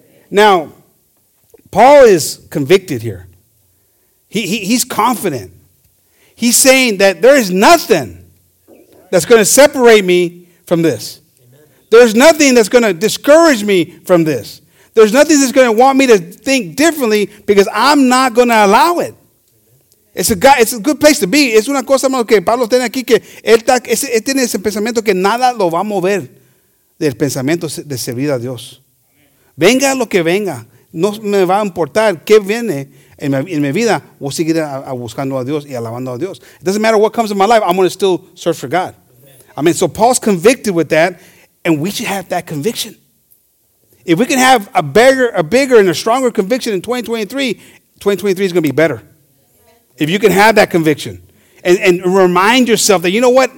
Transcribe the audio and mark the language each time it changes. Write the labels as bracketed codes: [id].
[en] Now, Paul is convicted here. He's confident. He's saying that there is nothing that's going to separate me from this. There's nothing that's going to discourage me from this. There's nothing that's going to want me to think differently because I'm not going to allow it. It's a good place to be. [es] Es una cosa más que Pablo tiene aquí que él tiene ese pensamiento que nada lo va a mover del pensamiento de servir a Dios. Venga lo que venga, no me va a importar qué viene en mi vida. Voy a seguir buscando a Dios y alabando a Dios. [en] It doesn't matter what comes in my life. I'm going to still search for God. I mean, so Paul's convicted with that, and we should have that conviction. If we can have a bigger and a stronger conviction in 2023 is going to be better. If you can have that conviction and remind yourself that, you know what?